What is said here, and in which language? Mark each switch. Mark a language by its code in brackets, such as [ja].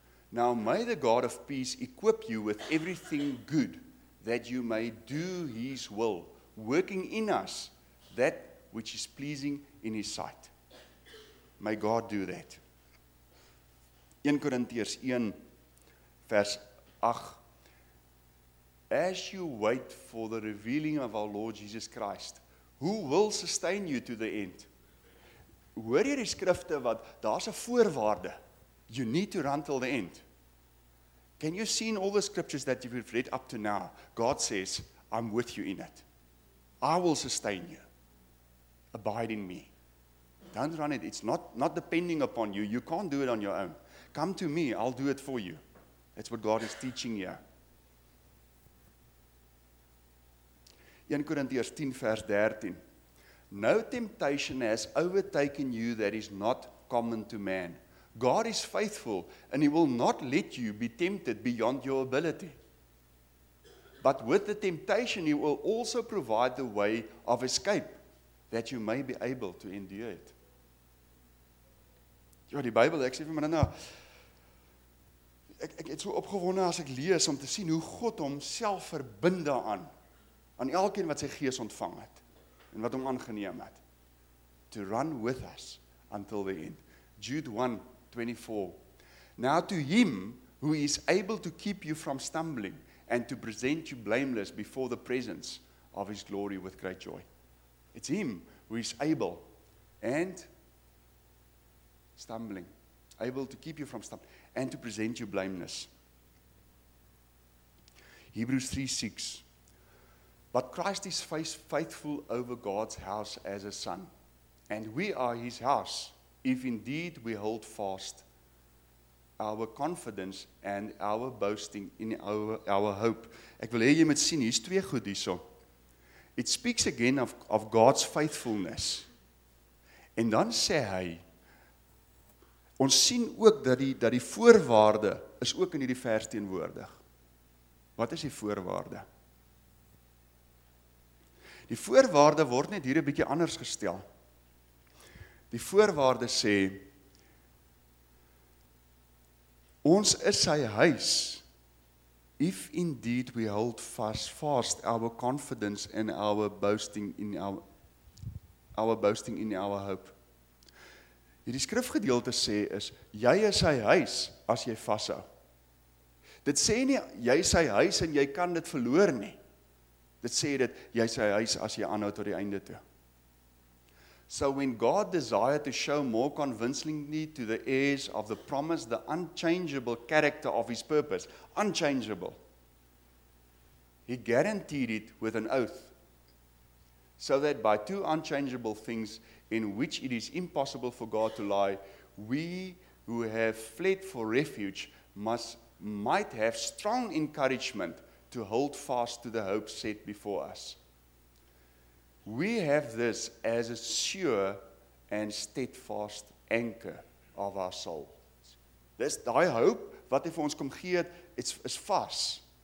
[en] Now may the God of peace equip you with everything good, that you may do his will, working in us that which is pleasing in his sight. May God do that. 1 Corinthians 1, verse 8. As you wait for the revealing of our Lord Jesus Christ, who will sustain you to the end? [af] Hoor jy die skrifte wat, daar's 'n voorwaarde. [en] You need to run till the end. Can you see in all the scriptures that you've read up to now? God says, I'm with you in it. I will sustain you. Abide in me. Don't run it. It's not depending upon you. You can't do it on your own. Come to me. I'll do it for you. That's what God is teaching you. 1 Corinthians 10 verse 13. No temptation has overtaken you that is not common to man. God is faithful and he will not let you be tempted beyond your ability. But with the temptation he will also provide the way of escape that you may be able to endure it. [af] Ja, die Bybel, ek sê vir my nou, ek het so opgewonde as ek lees om te sien hoe God homself verbind daaraan, aan elkeen wat sy gees ontvang het, en wat hom aangeneem het, [en] to run with us until the end. Jude 1, 24. Now to him who is able to keep you from stumbling and to present you blameless before the presence of his glory with great joy. It's him who is able and stumbling, able to keep you from stumbling and to present you blameless. Hebrews 3:6. But Christ is faithful over God's house as a son, and we are his house if indeed we hold fast our confidence and our boasting in our hope. [af] Ek wil hê jy moet sien, hier's twee goed hierso. [en] It speaks again of God's faithfulness. [af] En dan sê hy, ons sien ook dat die voorwaarde is ook in hierdie vers teenwoordig. Wat is die voorwaarde? Die voorwaarde word net hier 'n bietjie anders gestel. Die voorwaarde sê, ons is sy huis, if indeed we hold fast our confidence and our boasting in our hope. Hierdie skrifgedeelte sê is, jy is sy huis as jy vashou. Dit sê nie, jy is sy huis en jy kan dit verloor nie. Dit sê dit, jy sê huis as jy aanhou tot die einde toe. [en] So when God desired to show more convincingly to the heirs of the promise, the unchangeable character of his purpose, unchangeable, he guaranteed it with an oath, so that by two unchangeable things in which it is impossible for God to lie, we who have fled for refuge might have strong encouragement to hold fast to the hope set before us. We have this as a sure and steadfast anchor of our soul. [af] Dis daai hoop wat hy vir ons kom gee, is vas.